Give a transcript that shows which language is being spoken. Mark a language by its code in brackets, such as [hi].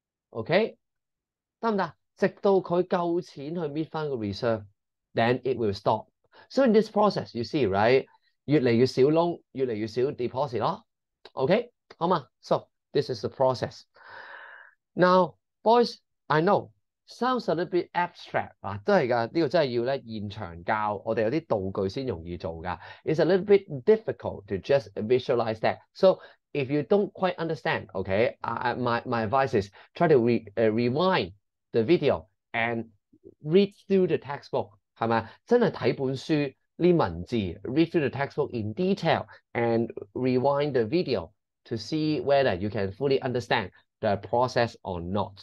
[yue] Okay? 行不行?直到他夠錢去搣返個 reserve, [en] then it will stop. So in this process, you see, right? [yue] 越來越少窿, 越來越少 deposit 咯。Okay? 好嗎? [en] So, this is the process. Now, boys, I know, sounds a little bit abstract. [yue] 啊, 都是的, 這個真的要現場教, 我們有些道具才容易做的。 [en] It's a little bit difficult to just visualize that. So, if you don't quite understand, okay, my advice is try to rewind the video and read through the textbook. [yue] 是吧? 真的看本書, 這些文字, [en] read through the textbook in detail and rewind the video to see whether you can fully understand the process or not.